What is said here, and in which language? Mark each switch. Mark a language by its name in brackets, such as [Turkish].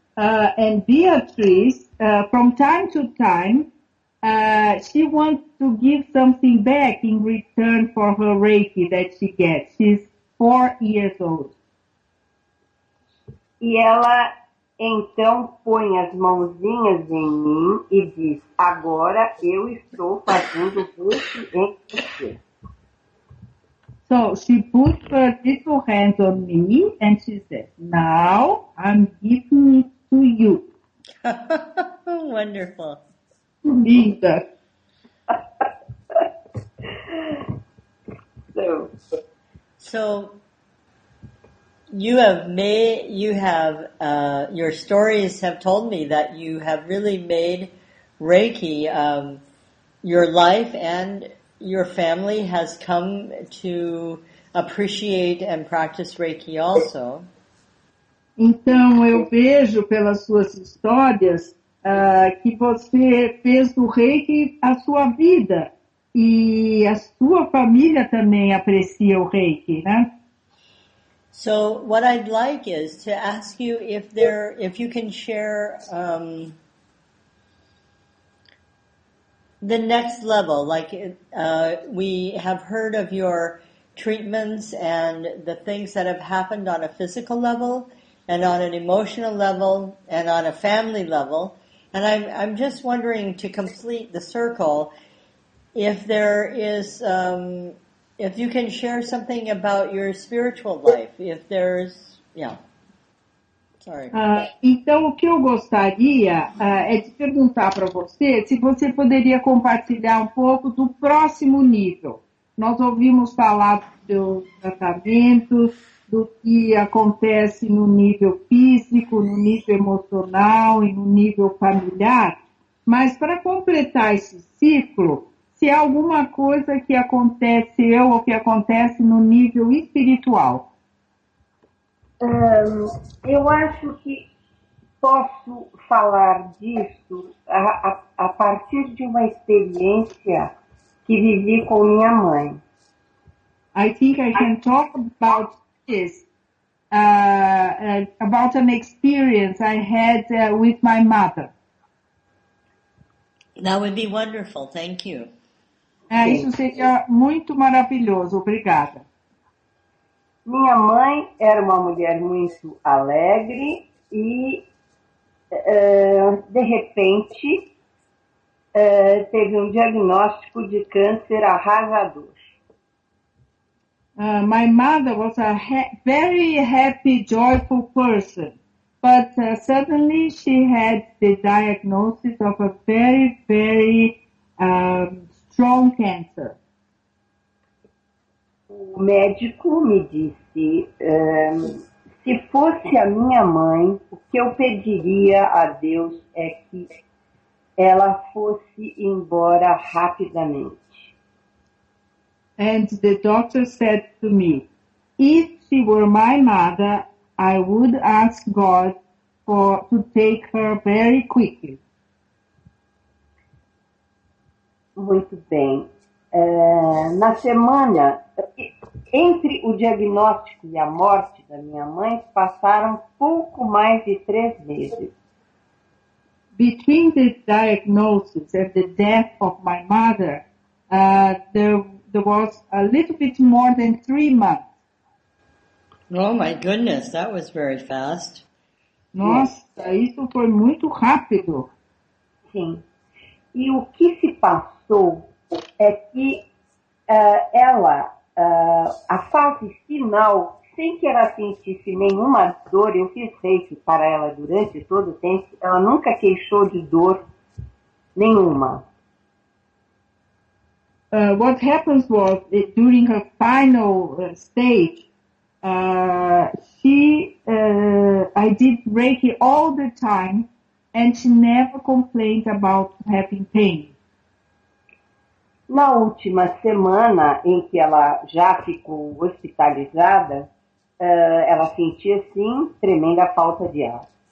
[English] And Beatriz, from time to time, she wants to give something back in return for her reiki that she gets. She's 4 years old. [Portuguese] E ela então põe as mãozinhas em mim e diz: agora eu estou fazendo reiki em você. [English] So she puts her little hands on me and she says, now I'm giving it to you. Wonderful. [Portuguese] Linda. [English] So your stories have told me that you have really made Reiki your life, and your family has come to appreciate and practice Reiki also. [Portuguese] Então eu vejo pelas suas histórias que você fez do reiki a sua vida. E a sua família também aprecia o reiki, né? [English] So, what I'd like is to ask you if you can share the next level. Like, we have heard of your treatments and the things that have happened on a physical level and on an emotional level and on a family level. And I'm just wondering, to complete the circle, if there is, if you can share something about your spiritual life, if there's, yeah. Sorry. [Portuguese] Então, o que eu gostaria é de perguntar para você se você poderia compartilhar um pouco do próximo nível. Nós ouvimos falar dos tratamentos, do que acontece no nível físico, no nível emocional e no nível familiar. Mas para completar esse ciclo, se há alguma coisa que acontece eu ou que acontece no nível espiritual. Eu acho que posso falar disso a partir de uma experiência que vivi com minha mãe. [English] I think I can talk about this, about an experience I had with my mother. That would be wonderful, thank you. [Portuguese] Isso seria muito maravilhoso, obrigada. Minha mãe era uma mulher muito alegre e, de repente, teve um diagnóstico de câncer arrasador. [English] My mother was a very happy, joyful person, but suddenly she had the diagnosis of a very, very strong cancer. [Portuguese] O médico me disse, se fosse a minha mãe, o que eu pediria a Deus é que ela fosse embora rapidamente. [English] And the doctor said to me, if she were my mother, I would ask God to take her very quickly. [Portuguese] Muito bem. Na semana, entre o diagnóstico e a morte da minha mãe, passaram pouco mais de 3 meses. [English] Between the diagnosis and the death of my mother, there was a little bit more than 3 months. Oh, my goodness, that was very fast. [Portuguese] Nossa, [English] yes. [Portuguese] Isso foi muito rápido. Sim. E o que se passou é que a fase final, sem que ela sentisse nenhuma dor, eu fiz reiki para ela durante todo o tempo, ela nunca queixou de dor nenhuma. [English] What happens was that during her final stage, I did Reiki all the time, and she never complained about having pain. [Portuguese] Na última semana em que ela já ficou hospitalizada, ela sentia sim tremenda falta de ar.